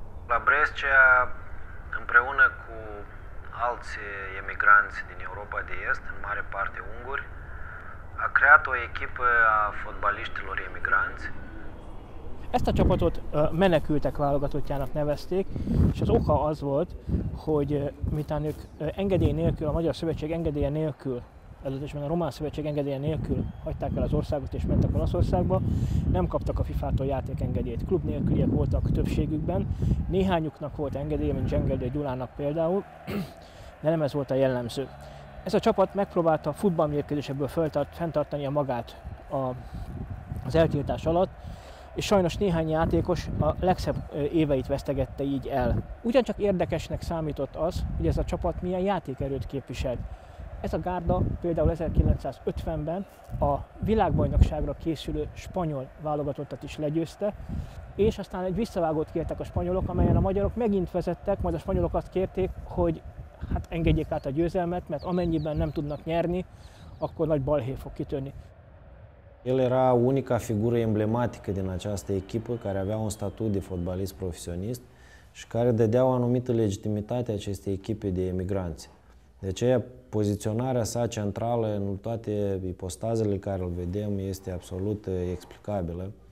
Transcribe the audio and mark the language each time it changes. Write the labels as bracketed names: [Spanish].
[Romanian] La Brescia, împreună cu alți emigranți din Europa de Est, în mare parte unguri, a creat o echipă a fotbaliștilor emigranți. [Hungarian] Ezt a csapatot menekültek válogatottjának nevezték, és az oka az volt, hogy miután ők engedély nélkül, a Magyar Szövetség engedélye nélkül, előzetesben a Román Szövetség engedélye nélkül hagyták el az országot és mentek Olaszországba, nem kaptak a FIFA-tól játékengedélyt. Klub nélküliek voltak többségükben, néhányuknak volt engedélye, mint Zsengeldő Gyulának például, de nem ez volt a jellemző. Ez a csapat megpróbálta a futballmérkőzésekből fenntartani a magát az eltiltás alatt, és sajnos néhány játékos a legszebb éveit vesztegette így el. Ugyancsak érdekesnek számított az, hogy ez a csapat milyen játékerőt képviselt. Ez a gárda például 1950-ben a világbajnokságra készülő spanyol válogatottat is legyőzte, és aztán egy visszavágót kértek a spanyolok, amelyen a magyarok megint vezettek, majd a spanyolok azt kérték, hogy hát engedjék át a győzelmet, mert amennyiben nem tudnak nyerni, akkor nagy balhé fog kitörni. [Romanian] El era unica figură emblematică din această echipă care avea un statut de fotbalist profesionist și care dădea o anumită legitimitate acestei echipe de emigranți. De aceea, poziționarea sa centrală în toate ipostazele care îl vedem este absolut explicabilă.